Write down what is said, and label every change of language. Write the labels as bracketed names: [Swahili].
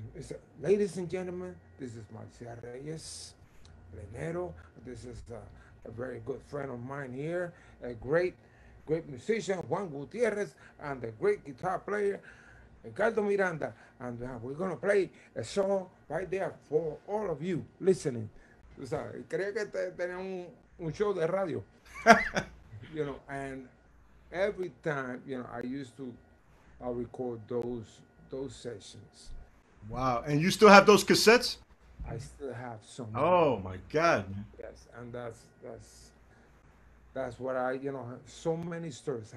[English] He said, ladies and gentlemen, this is Marcial Reyes, Plenero. This is a very good friend of mine here, a great musician, Juan Gutierrez, and a great guitar player, Ricardo Miranda. And we're going to play a song right there for all of you listening. [Spanish] O sea, creía que tenía un show de radio. [English] You know, and every time, I used to record those sessions. Wow, and you still have those cassettes? I still have some. Oh my God! Yes, and that's what I, so many stories.